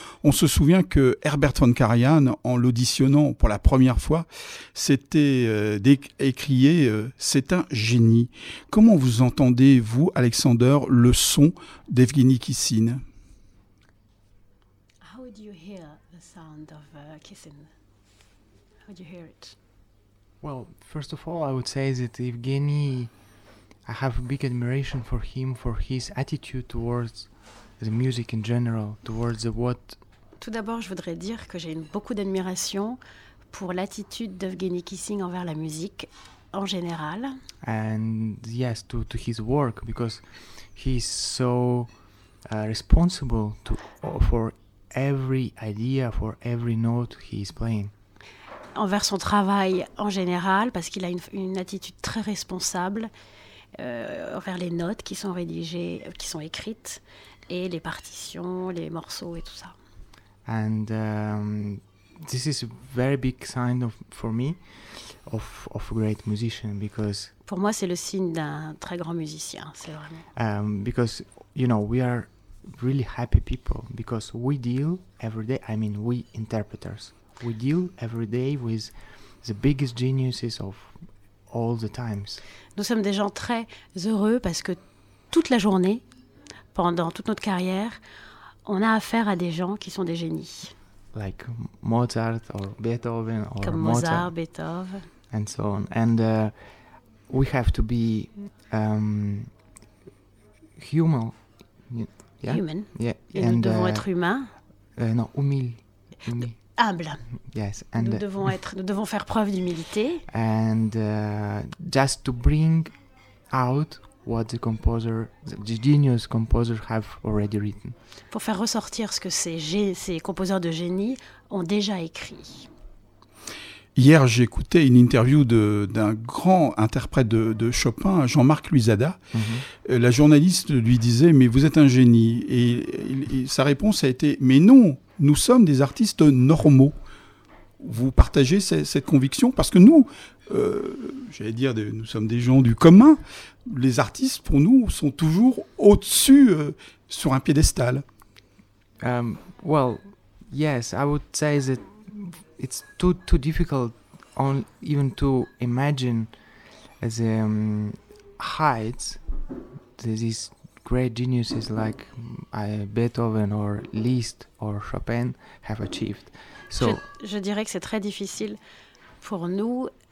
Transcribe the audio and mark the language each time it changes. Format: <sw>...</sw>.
<fr>On se souvient que Herbert von Karajan, en l'auditionnant pour la première fois, s'était écrié « c'est un génie ». Comment vous entendez, vous, Alexander, le son d'Evgeny Kissin ?</fr> <en>How do you hear the sound of Kissin ? Would you hear it? Well, first of all, I would say that Evgeny, I have a big admiration for him, for his attitude towards the music in general, towards the what.</en> <fr>Tout d'abord, je voudrais dire que j'ai beaucoup d'admiration pour l'attitude d'Evgeny Kissin envers la musique en général.</fr> <en>And yes, to his work, because he's so responsible for every idea, for every note he is playing.</en> <fr>Envers son travail en général, parce qu'il a une attitude très responsable envers les notes qui sont rédigées, qui sont écrites, et les partitions, les morceaux et tout ça.</fr> <en>And this is a very big sign of, for me, of a great musician, because.</en> <fr>Pour moi, c'est le signe d'un très grand musicien, c'est vraiment.</fr> <en>Because you know we are really happy people because we deal every day. I mean, we interpreters. We deal every day with the biggest geniuses of all the times.</en> <fr>Nous sommes des gens très heureux parce que toute la journée, pendant toute notre carrière, on a affaire à des gens qui sont des génies.</fr> <en>Like Mozart or Beethoven or</en> <fr>comme Mozart, Beethoven.</fr> <en>And so on. And we have to be human. Yeah? Human. Yeah.</en> <fr>Et nous devons être humains. Non, humile.</fr> <en>Humble. Yes,</en> <fr>and nous devons faire preuve d'humilité.</fr> <en>And just to bring out what the composer, the genius composer, have already written.</en> <fr>Pour faire ressortir ce que ces compositeurs de génie ont déjà écrit. Hier, j'écoutais une interview d'un grand interprète de Chopin, Jean-Marc Luisada. Mm-hmm. La journaliste lui disait « Mais vous êtes un génie ». Et sa réponse a été « Mais non, nous sommes des artistes normaux ». Vous partagez cette conviction ? Parce que nous, j'allais dire, nous sommes des gens du commun. Les artistes, pour nous, sont toujours au-dessus, sur un piédestal.</fr> <en>Well, yes, I would say that it's too difficult on even to imagine the heights these great geniuses like Beethoven or Liszt or Chopin have achieved.</en> <fr>So je dirais que c'est très difficile pour nous</fr>